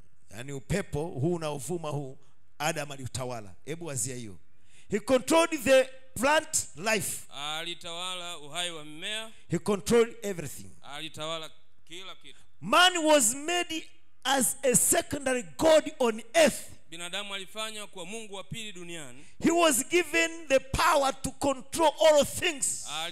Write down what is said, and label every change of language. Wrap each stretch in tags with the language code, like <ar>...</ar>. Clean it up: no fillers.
<sw>Yani upepo huu unaovuma huu, Adam aliutawala. Hebu wazia hiyo.</sw> <en>He controlled the plant life.</en> <sw>Alitawala uhai wa mimea.</sw> <en>He controlled everything.</en> <sw>Alitawala kila kitu.</sw> <en>Man was made as a secondary god on earth.</en> <sw>Binadamu alifanywa kwa Mungu wa pili duniani.</sw> <en>He was given the power to control all things.</en>